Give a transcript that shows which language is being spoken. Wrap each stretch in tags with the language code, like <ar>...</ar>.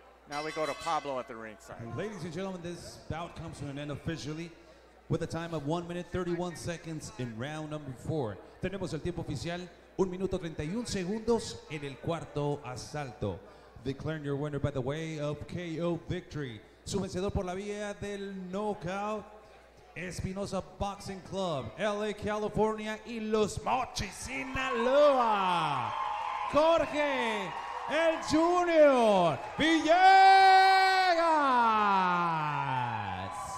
<en>Now we go to Pablo at the ringside. Ladies and gentlemen, this bout comes to an end officially with a time of 1 minute 31 seconds in round number 4.</en> <es>Tenemos el tiempo oficial, 1 minuto 31 segundos en el cuarto asalto.</es> <en>Declaring your winner by the way of KO victory.</en> <es>Su vencedor por la vía del knockout, Espinosa Boxing Club, LA, California, y Los Mochis, Sinaloa. Jorge! El Junior Villegas.</es>